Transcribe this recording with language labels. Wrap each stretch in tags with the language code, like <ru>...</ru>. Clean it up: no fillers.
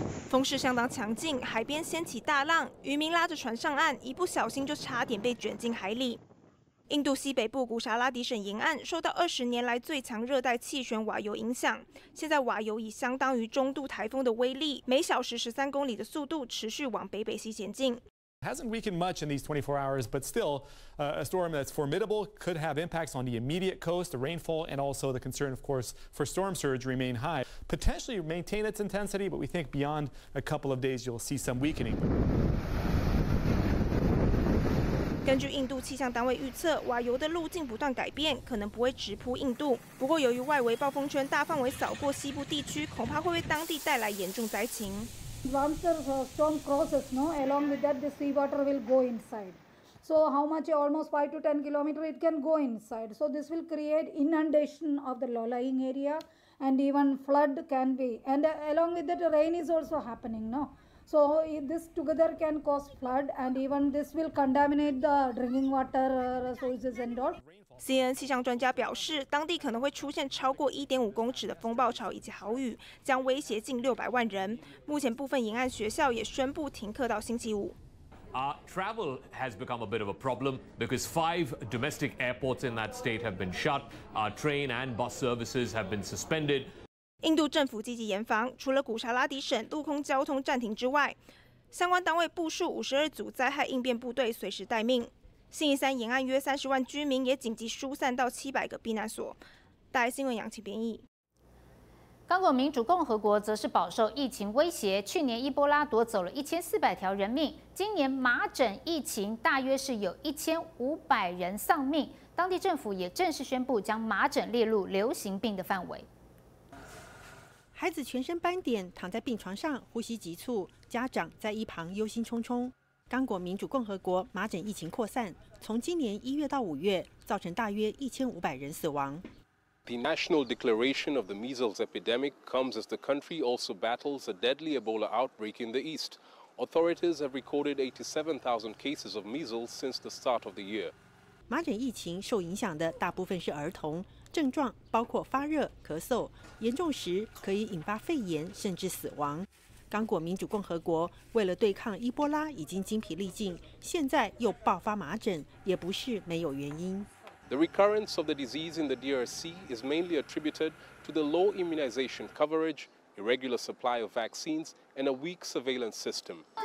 <zh>风势相当强劲，海边掀起大浪，渔民拉着船上岸，一不小心就差点被卷进海里。印度西北部古沙拉迪省沿岸受到20年来最强热带气旋瓦尤影响，现在瓦尤以相当于中度台风的威力，每小时13公里的速度持续往北北西前进。</zh> <en>Hasn't weakened much in these 24 hours, but still, a storm that's formidable could have impacts on the immediate coast, the rainfall, and also the concern, of course, for storm surge remain high. Potentially maintain its intensity, but we think beyond a couple of days, you'll see some weakening.</en> <zh>根据印度气象单位预测，瓦尤的路径不断改变，可能不会直扑印度。不过，由于外围暴风圈大范围扫过西部地区，恐怕会为当地带来严重灾情。</zh> <en>Once the storm crosses, no, along with that, the seawater will go inside. So how much, almost 5 to 10 kilometers, it can go inside. So this will create inundation of the low-lying area, and even flood can be. And along with that, rain is also happening, no? So this together can cause flood, and even this will contaminate the drinking water resources and all.</en> <zh>CNN 气象专家表示，当地可能会出现超过1.5公尺的风暴潮以及豪雨，将威胁近600万人。目前部分沿岸学校也宣布停课到星期五。</zh> <en>Travel has become a bit of a problem because 5 domestic airports in that state have been shut. Train and bus services have been suspended.</en> <zh>印度政府积极严防，除了古沙拉迪省陆空交通暂停之外，相关单位部署52组灾害应变部队随时待命。信义山沿岸约30万居民也紧急疏散到700个避难所。大爱新闻杨晴编译。刚果民主共和国则是饱受疫情威胁，去年伊波拉夺走了1400条人命，今年麻疹疫情大约是有1500人丧命，当地政府也正式宣布将麻疹列入流行病的范围。孩子全身斑点，躺在病床上，呼吸急促，家长在一旁忧心忡忡。刚果民主共和国麻疹疫情扩散，从今年1月到5月，造成大约1500人死亡。</zh> <en>The national declaration of the measles epidemic comes as the country also battles a deadly Ebola outbreak in the east. Authorities have recorded 87,000 cases of measles since the start of the year.</en> <zh>麻疹疫情受影响的大部分是儿童，症状包括发热、咳嗽，严重时可以引发肺炎甚至死亡。刚果民主共和国为了对抗伊波拉已经精疲力尽，现在又爆发麻疹，也不是没有原因。</zh> <en>The recurrence of the disease in the DRC is mainly attributed to the low immunization coverage, irregular supply of vaccines, and a weak surveillance system.</en>